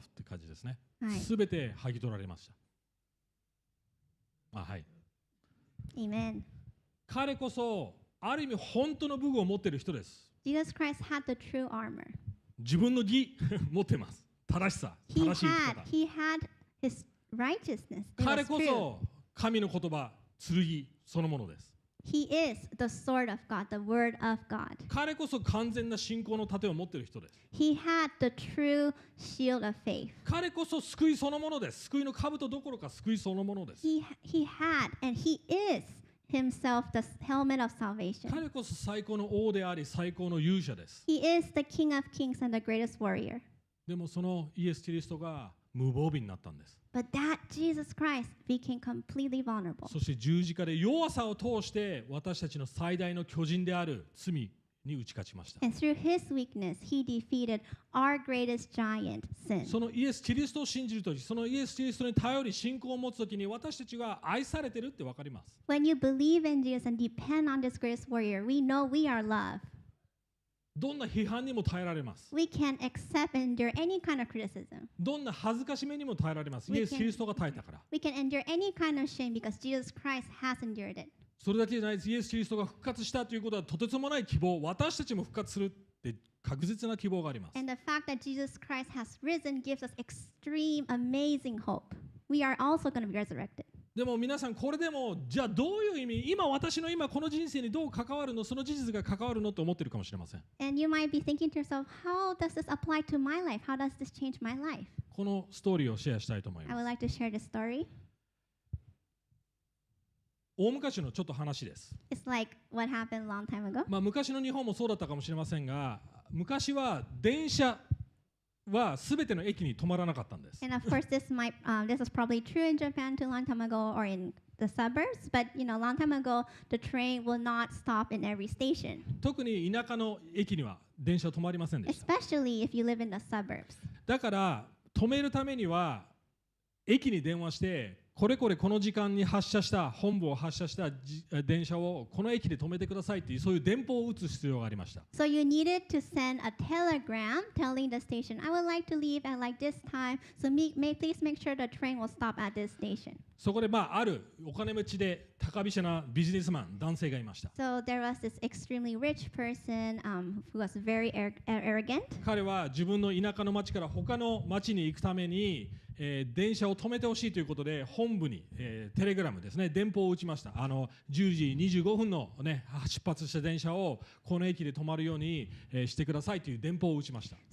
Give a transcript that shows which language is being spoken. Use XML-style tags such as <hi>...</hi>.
<ja>って感じですね。すべて剥ぎ取られました。あ、はい。</ja> <en>Amen.</en> <ja>彼こそある意味本当の武具を持ってる人です。</ja> <en>Jesus Christ had the true armor.</en> <ja>自分の義持ってます。正しさ、正しい生き方。</ja> <en>He had his righteousness.</en> <ja>彼こそ神の言葉。剣そのものです。</ja> <en>He is the sword of God, the word of God.</en> <ja>彼こそ完全な信仰の盾を持っている人です。</ja> <en>He had the true shield of faith.</en> <ja>彼こそ救いそのものです。救いの兜どころか救いそのものです。</ja> <en>He had and he is himself the helmet of salvation.</en> <ja>彼こそ最高の王であり最高の勇者です。</ja> <en>He is the king of kings and the greatest warrior.</en> <ja>でもそのイエス・キリストが無防備になったんです。</ja> <en>But that Jesus Christ became completely vulnerable.</en> <ja>そして十字架で弱さを通して私たちの最大の巨人である罪に打ち勝ちました。</ja> <en>And through his weakness, he defeated our greatest giant sin.</en> <ja>そのイエス・キリストを信じるとき、そのイエス・キリストに頼り信仰を持つときに私たちが愛されてるってわかります。</ja> <en>When you believe in Jesus and depend on this greatest warrior, we know we are loved.</en> <ja>どんな批判にも耐えられます。</ja> <en>We can accept and endure any kind of criticism.</en> <ja>どんな恥ずかしめにも耐えられます。イエス・キリストが耐えたから。</ja> <en>We can endure any kind of shame because Jesus Christ has endured it.</en> <ja>それだけじゃないです。イエス・キリストが復活したということはとてつもない希望。私たちも復活するって確実な希望があります。</ja> <en>And the fact that Jesus Christ has risen gives us extreme, amazing hope. We are also going to be resurrected. でも皆さんこれでもじゃあどういう意味今私の今この人生にどう関わるのその事実が関わるのと思ってるかもしれません。 And you might be thinking to yourself, how does this apply to my life? How does this change my life?</en> <ja>このストーリーをシェアしたいと思います。</ja> <en>I would like to share this story.</en> <ja>大昔のちょっと話です。</ja> <en>It's like what happened a long time ago.</en> <ja>まあ昔の日本もそうだったかもしれませんが、昔は電車は全ての駅に止まらなかったんです。</ja> <en>And of course, this is probably true in Japan too long time ago or in the suburbs, but you know, long time ago, the train will not stop in every station.</en> <ja>特に田舎の駅には電車は止まりませんでした。</ja> <en>Especially if you live in the suburbs.</en> <ja>だから、止めるためには駅に電話してこれこれこの時間に発車した本部を発車した電車をこの駅で止めてくださいっていうそういう電報を打つ必要がありました。</ja> <en>So you needed to send a telegram telling the station, I would like to leave at like this time. So please make sure the train will stop at this station.</en> <ja>そこでまああるお金持ちで高飛車なビジネスマン男性がいました。</ja> <en>So there was this extremely rich person, who was very arrogant.</en> <ja>彼は自分の田舎の町から他の町に行くために。電車を止めてほしいということで本部に、テレグラムですね電報を打ちました。あの10時25分の、ね、出発した電車をこの駅で止まるように、してくださいという電報を打ちました。</ja>